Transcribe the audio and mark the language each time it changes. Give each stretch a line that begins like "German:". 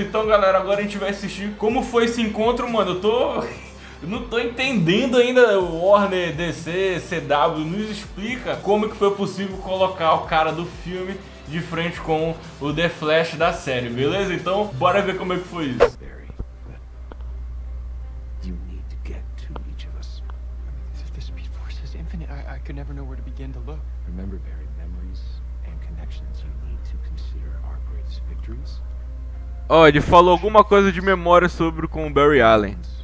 Portuguese: Então, galera, agora a gente vai assistir como foi esse encontro, mano. Eu não tô entendendo ainda. Warner, DC, CW, nos explica como que foi possível colocar o cara do filme de frente com o The Flash da série, beleza? Então, bora ver como é que foi isso.
English: Barry, you need to get to each of us. If the speed force is infinite, I could never know where to begin to look. Remember, Barry, memories and connections you need to consider our greatest victories.
Portuguese: Ó, ele falou alguma coisa de memória sobre com o Barry Allen.